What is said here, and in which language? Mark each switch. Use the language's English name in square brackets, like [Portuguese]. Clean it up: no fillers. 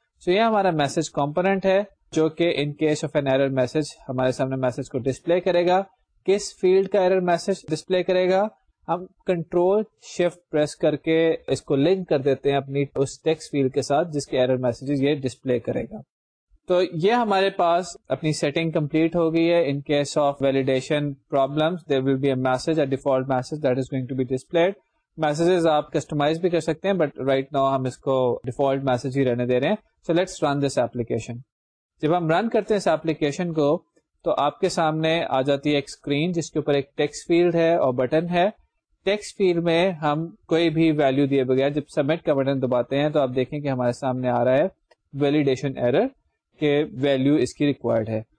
[Urdu] سو یہ ہمارا message component ہے جو کہ [English] in case of an error message [Urdu] ہمارے سامنے میسج کو ڈسپلے کرے گا. کس فیلڈ کا ایرر میسج ڈسپلے کرے گا, ہم کنٹرول شفٹ پریس کر کے اس کو لنک کر دیتے ہیں اپنی اس ٹیکسٹ فیلڈ کے ساتھ جس کے ایرر میسجز یہ ڈسپلے کرے گا. تو یہ ہمارے پاس اپنی سیٹنگ کمپلیٹ ہو گئی ہے. [English] In case of validation problems there will be a message, a default message that is going to be displayed. [Urdu] Messages آپ کسٹمائز بھی کر سکتے ہیں [English] but right now [Urdu] ہم اس کو ڈیفالٹ میسج ہی رہنے دے رہے ہیں. [English] So let's run this application. [Urdu] جب ہم رن کرتے ہیں اس اپلیکیشن کو تو آپ کے سامنے آ جاتی ہے ایک اسکرین جس کے اوپر ایک ٹیکسٹ فیلڈ ہے اور بٹن ہے. ٹیکسٹ فیلڈ میں ہم کوئی بھی ویلیو دیے بغیر جب سبمٹ کا بٹن دباتے ہیں تو آپ دیکھیں کہ ہمارے سامنے آ رہا ہے ویلیڈیشن ایرر کہ ویلیو اس کی ریکوائرڈ ہے.